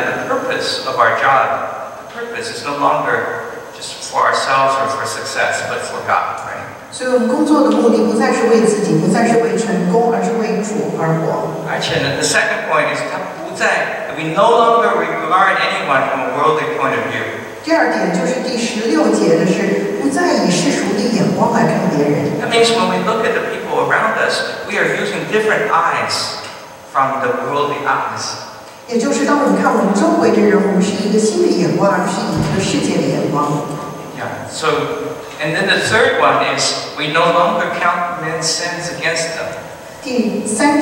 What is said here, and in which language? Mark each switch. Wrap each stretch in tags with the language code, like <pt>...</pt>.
<en>purpose of our job, the purpose is no longer just for ourselves or for success, but for God, right?</en> <zh>所以我们工作的目的不再是为自己，不再是为成功，而是为主而活。而且呢，</zh> <en>the second point is</en> <zh>他不再，</zh> <en>we no longer regard anyone from a worldly point of view.</en> <zh>第二点就是第十六节的是不再以世俗的眼光来看别人。</zh> <en>That means when we look at the people around us, we are using different eyes from the worldly eyes.</en> <zh>也就是当我们看我们周围的人，我们是以一个新的眼光，而不是以一个世界的眼光。</zh> <en>Yeah. So, and then the third one is we no longer count men's sins against them.</en>